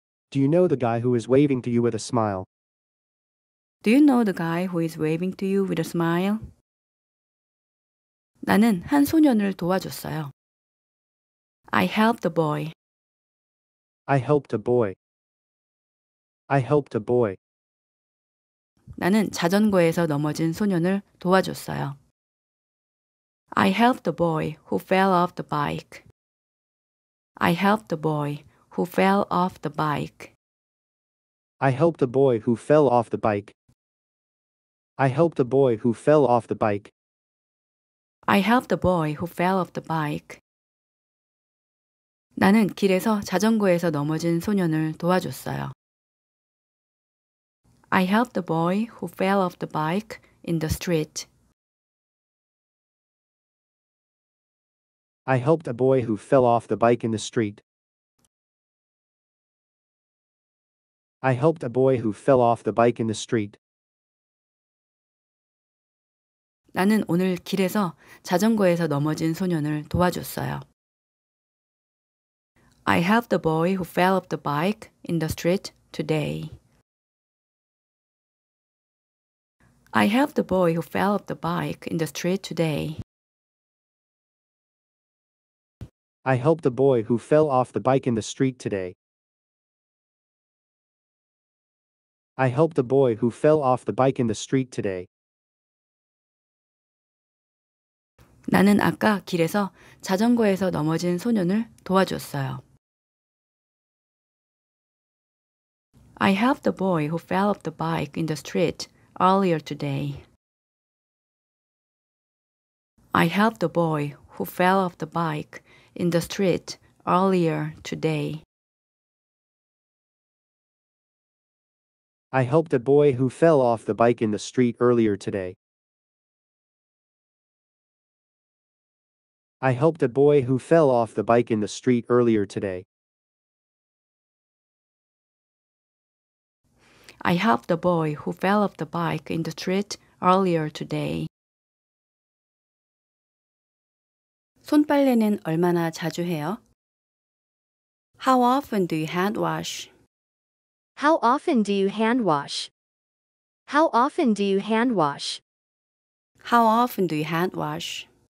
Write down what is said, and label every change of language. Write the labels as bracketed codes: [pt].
[en] Do you know the guy who is waving to you with a smile? Do you know the guy who is waving to you with a smile? [ko] 나는 한 소년을 도와줬어요. [en] I helped a boy. I helped a boy. I helped a boy. [ko] 나는 자전거에서 넘어진 소년을 도와줬어요. [en] I helped a boy who fell off the bike. I helped a boy who fell off the bike. I helped a boy who fell off the bike. I helped a boy who fell off the bike. I helped a boy who fell off the bike. [ko] 나는 길에서 자전거에서 넘어진 소년을 도와줬어요. [en] I helped a boy who fell off the bike in the street. I helped a boy who fell off the bike in the street. I helped a boy who fell off the bike in the street. [ko] 나는 오늘 길에서 자전거에서 넘어진 소년을 도와줬어요. [en] I helped a boy who fell off the bike in the street today. I helped a boy who fell off the bike in the street today. I helped a boy who fell off the bike in the street today. I helped a boy who fell off the bike in the street today. [ko] 나는 아까 길에서 자전거에서 넘어진 소년을 도와주었어요. [en] I helped the boy who fell off the bike in the street earlier today. I helped the boy who fell off the bike in the street earlier today. I helped a boy who fell off the bike in the street earlier today. I helped a boy who fell off the bike in the street earlier today. I helped a boy who fell off the bike in the street earlier today. [ko] 손 빨래는 얼마나 자주 해요? [en] How often do you hand wash? How often do you hand wash? How often do you hand wash? How often do you hand wash?